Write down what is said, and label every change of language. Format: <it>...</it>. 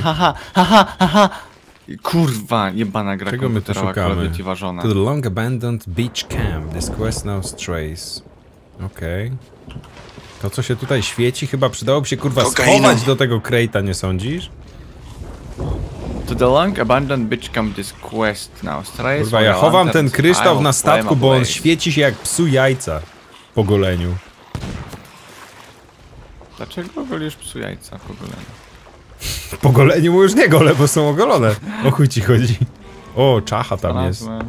<pl>Ha, ha, ha, ha, ha. Kurwa, jebana gra. Czego my tu szukamy?</pl> <en>To the long abandoned beach camp. This quest now strays. Okej. Okay.</en> <pl>To co się tutaj świeci, chyba przydałoby się kurwa schować do tego crate'a, nie sądzisz?</pl> <en>To the long abandoned beach camp, this quest now strays.</en> <pl>Kurwa, ja chowam ten kryształ na statku, bo on świeci się jak psu jajca po goleniu. Dlaczego golisz psu jajca po goleniu? Po goleniu mu już nie gole, bo są ogolone. O chuj ci chodzi. O, czacha tam jest.</pl>